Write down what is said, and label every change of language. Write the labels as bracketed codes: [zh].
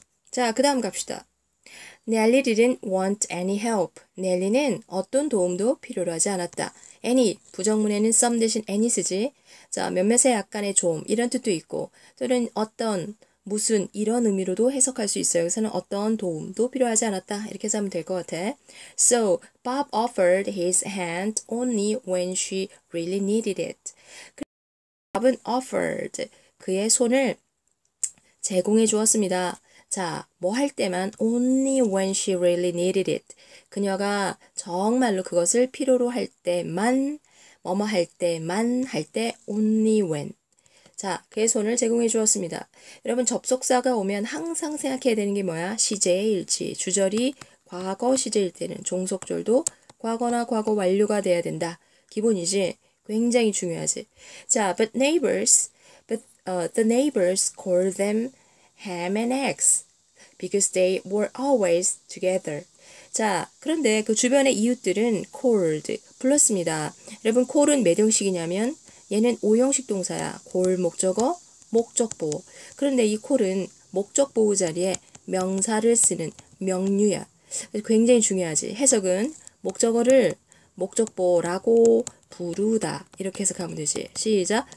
[ko] 자, 그 다음 갑시다. [en] Nelly didn't want any help. [ko] Nelly는 어떤 도움도 필요로 하지 않았다. Any, 부정문에는 some 대신 any 쓰지. 자, 몇몇의 약간의 좀, 이런 뜻도 있고, 또는 어떤, 무슨 이런 의미로도 해석할 수 있어요. 여기서는 어떤 도움도 필요하지 않았다. 이렇게 하면 될것 같아. [en] So, Bob offered his hand only when she really needed it. [ko] 그래서 Bob은 offered 그의 손을 제공해 주었습니다. 자, 뭐할 때만 [en] only when she really needed it. [ko] 그녀가 정말로 그것을 필요로 할 때만, 뭐뭐 할 때만 할때 only when. 자, 그의 손을 제공해 주었습니다. 여러분, 접속사가 오면 항상 생각해야 되는 게 뭐야? 시제의 일치. 주절이 과거 시제일 때는 종속절도 과거나 과거 완료가 돼야 된다. 기본이지? 굉장히 중요하지. [en] 자, the neighbors call them ham and eggs because they were always together. [ko] 자, 그런데 그 주변의 이웃들은 called, 불렀습니다. 여러분, call은 몇 형식이냐면 얘는 오형식 동사야. 골 목적어, 목적보호. 그런데 이 콜은 목적보호 자리에 명사를 쓰는 명류야. 굉장히 중요하지. 해석은 목적어를 목적보호라고 부르다. 이렇게 해석하면 되지. 시작.